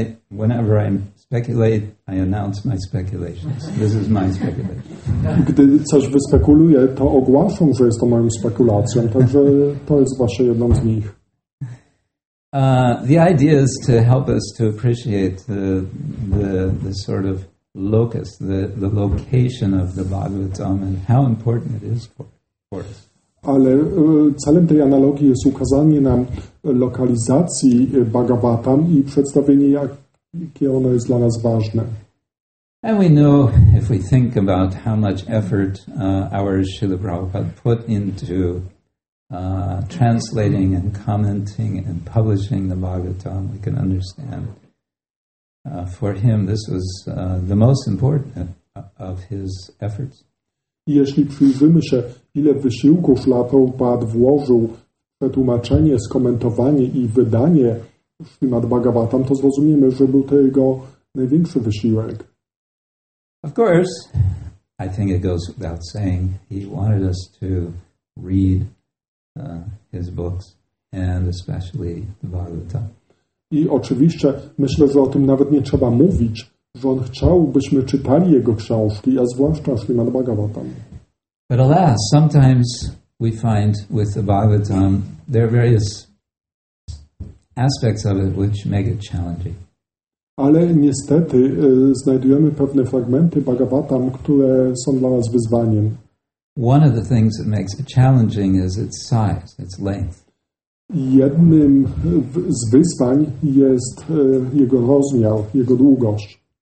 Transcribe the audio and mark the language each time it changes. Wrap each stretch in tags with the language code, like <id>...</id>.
<en>Whenever I speculate, I announce my speculations. This is my speculation.</en> <pl>Gdy coś wyspekuluję, to ogłaszam, że jest to moją spekulacją, także to jest właśnie jedną z nich.</pl> <en>The idea is to help us to appreciate the sort of locus, the location of the Bhagavatam and how important it is for us.</en> <pl>Ale celem tej analogii jest ukazanie nam lokalizacji Bhagavatam i przedstawienie, jakie ono jest dla nas ważne.</pl> <en>And we know, if we think about how much effort our Srila Prabhupada put into translating and commenting and publishing the Bhagavatam, we can understand for him this was the most important of his efforts.</en> <pl>Jeśli przyjrzymy się, ile wysiłku Śla Prabhupada włożył w tłumaczenie, skomentowanie i wydanie Śrimad Bhagavatam, to zrozumiemy, że był to jego największy wysiłek.</pl> <en>Of course, I think it goes without saying, he wanted us to read his books, and especially the Bhagavatam.</en> <pl>I oczywiście myślę, że o tym nawet nie trzeba mówić, że on chciał, byśmy czytali jego książki, a zwłaszcza Śrimad Bhagavatam.</pl> <en>But alas, sometimes we find with the Bhagavatam there are various aspects of it which make it challenging.</en> <pl>Ale niestety znajdujemy pewne fragmenty Bhagavatam, które są dla nas wyzwaniem.</pl> <en>One of the things that makes it challenging is its size, its length.</en> <pl>Jednym z wyzwań jest jego rozmiar, jego długość.</pl>